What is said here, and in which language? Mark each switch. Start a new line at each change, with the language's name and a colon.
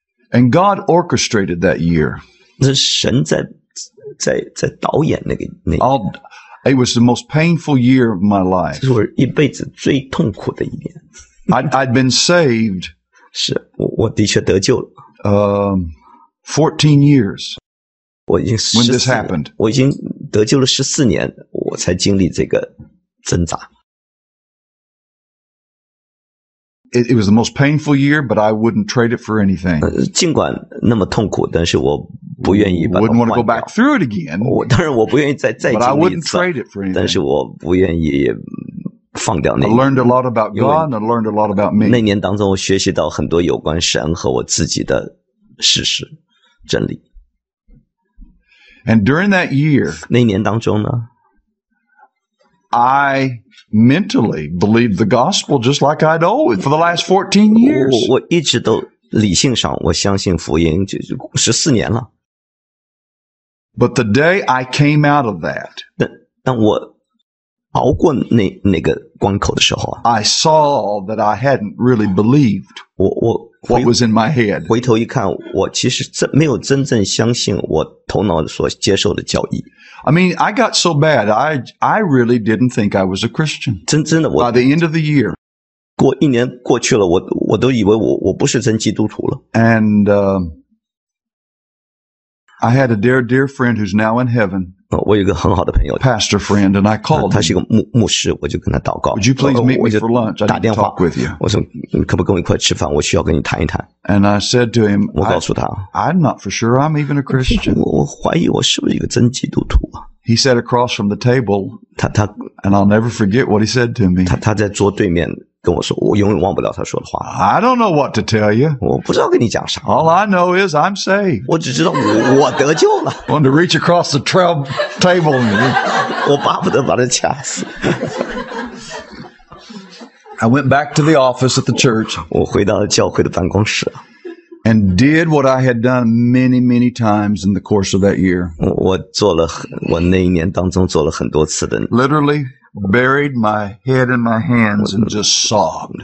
English: And God orchestrated that year.
Chinese: 是神在导演那个。
English: It was the most painful year of my life.
Chinese: 这是我一辈子最痛苦的一年。
English: I'd been saved.
Chinese: 是，我的确得救了。
English: 14 years.
Chinese: 我已经14年。
English: When this happened.
Chinese: 我已经得救了14年，我才经历这个挣扎。
English: It was the most painful year, but I wouldn't trade it for anything.
Chinese: 尽管那么痛苦，但是我不愿意把它换掉。
English: Wouldn't want to go back through it again.
Chinese: 当然我不愿意再经历一次。
English: But I wouldn't trade it for anything.
Chinese: 但是我不愿意放掉那年。
English: I learned a lot about God and I learned a lot about me.
Chinese: 那年当中我学习到很多有关神和我自己的事实、真理。
English: And during that year,
Chinese: 那年当中呢？
English: I mentally believed the gospel just like I'd always for the last 14 years.
Chinese: 我一直都理性上我相信福音就14年了。
English: But the day I came out of that,
Chinese: 当我熬过那个关口的时候
English: I saw that I hadn't really believed what was in my head.
Chinese: 回头一看我其实没有真正相信我头脑所接受的教义。
English: I mean, I got so bad, I really didn't think I was a Christian.
Chinese: 真的我
English: By the end of the year.
Chinese: 过一年过去了我都以为我不是真基督徒了。
English: And, I had a dear friend who's now in heaven.
Chinese: 我有个很好的朋友。
English: Pastor friend, and I called him.
Chinese: 他是一个牧师我就跟他祷告。
English: Would you please meet me for lunch? I'd like to talk with you.
Chinese: 我说你可不跟我一块吃饭我需要跟你谈一谈。
English: And I said to him,
Chinese: 我告诉他
English: I'm not for sure I'm even a Christian.
Chinese: 我怀疑我是不是一个真基督徒。
English: He sat across from the table,
Chinese: 他
English: and I'll never forget what he said to me.
Chinese: 他在桌对面跟我说，我永远忘不了他说的话。
English: I don't know what to tell you.
Chinese: 我不知道跟你讲啥。
English: All I know is I'm saved.
Chinese: 我只知道我得救了。
English: I want to reach across the table.
Chinese: 我巴不得把他掐死。
English: I went back to the office at the church.
Chinese: 我回到了教会的办公室。
English: And did what I had done many, many times in the course of that year.
Chinese: 我那一年当中做了很多次的。
English: Literally. Buried my head in my hands and just sobbed.